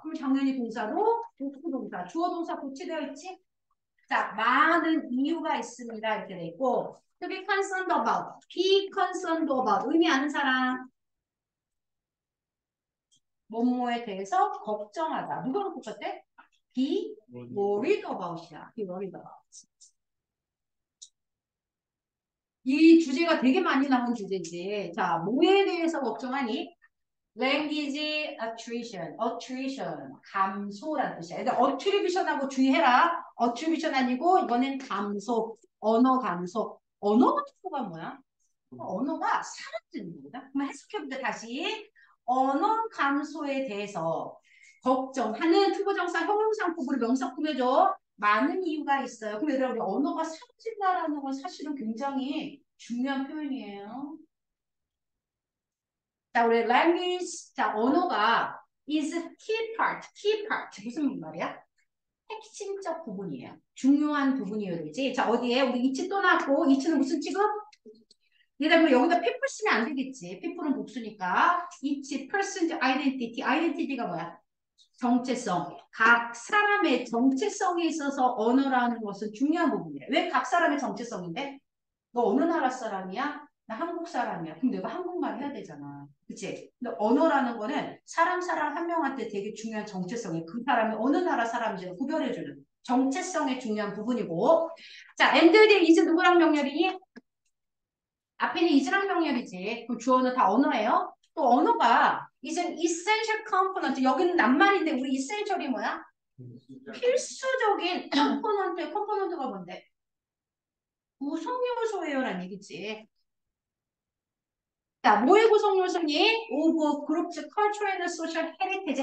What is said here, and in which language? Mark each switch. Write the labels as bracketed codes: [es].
[ko] 그럼 당연히 동사로 복수동사. 주어동사 고치되어 있지? 자, 많은 이유가 있습니다. 이렇게 돼 있고. [en] To be concerned about. Be concerned about. [ko] 의미하는 사람. 뭐뭐에 대해서 걱정하다. 누가 놓고 쳤대? [en] Be worried about이야. Be worried about. [ko] 이 주제가 되게 많이 나온 주제지. 자, 뭐에 대해서 걱정하니? [en] Language attrition. Attrition. [ko] 감소라는 뜻이야. 애들, attribution하고 주의해라. Attribution 아니고, 이번엔 감소. 언어 감소. 언어 감소가 뭐야? 언어가 사라지는 겁니다. 그럼 해석해보자, 다시. 언어 감소에 대해서 걱정하는 투부정사, 형용사, 구부를 명사 꾸며줘. 많은 이유가 있어요. 그럼 얘들아, 우리 언어가 사라진다라는 건 사실은 굉장히 중요한 표현이에요. 자, 우리 language, 자, 언어가 [en] is a key part, key part. [ko] 무슨 말이야? 핵심적 부분이에요. 중요한 부분이에요, 그렇지? 자, 어디에? 우리 it 떠났고, it는 무슨 지금? 얘들아, 뭐 여기다 people 쓰면 안 되겠지. people은 복수니까. it, person, identity. identity가 뭐야? 정체성. 각 사람의 정체성에 있어서 언어라는 것은 중요한 부분이에요. 왜각 사람의 정체성인데? 너 어느 나라 사람이야? 나 한국 사람이야. 그럼 내가 한국말 해야 되잖아. 그치? 근데 언어라는 거는 사람 한 명한테 되게 중요한 정체성이에요. 그 사람이 어느 나라 사람인지 구별해주는 정체성의 중요한 부분이고. 자, [en] and there is [ko] 누구랑 명렬이니? 앞에는 is랑 명렬이지. 그럼 주어는 다 언어예요? 또 언어가 [en] is an essential component. [ko] 여기는 낱말인데 우리 essential이 뭐야? 필수적인 컴포넌트. 컴포넌트가 뭔데? 구성요소예요란 얘기지. 자, 뭐의 구성요소니? [en] Of groups, cultural and social heritage.